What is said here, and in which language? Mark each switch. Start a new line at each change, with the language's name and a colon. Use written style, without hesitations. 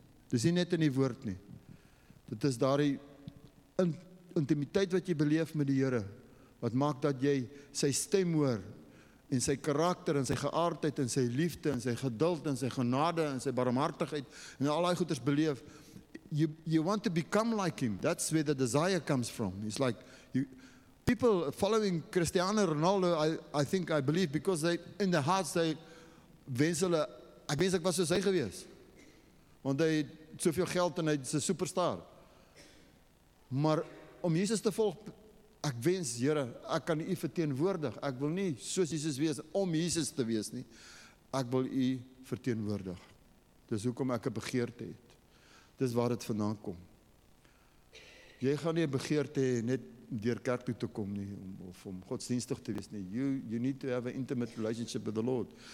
Afrikaans: Dis nie net in die woord nie. Dit is daardie intimiteit wat jy beleef met die Here. Wat maak dat jy sy stem hoor en sy karakter en sy geaardheid en sy liefde en sy geduld en sy genade en sy barmhartigheid en al daai goeders beleef.
English: You want to become like him. That's where the desire comes from. It's like people following Cristiano Ronaldo, I believe because they in their hearts they
Afrikaans: wens hulle, ek wens ek was soos hy gewees. Want hy het soveel geld en hy's 'n superstar. Maar om Jesus te volg, ek wens, Here, ek kan U verteenwoordig. Ek wil nie soos Jesus wees om Jesus te wees nie. Ek wil U verteenwoordig. Dis hoekom ek 'n begeerte het. Dis waar dit vandaan kom. Jy gaan nie 'n begeerte hê net deur kerk toe te kom nie of om godsdienstig te wees nie.
English: You need to have an intimate relationship with the Lord.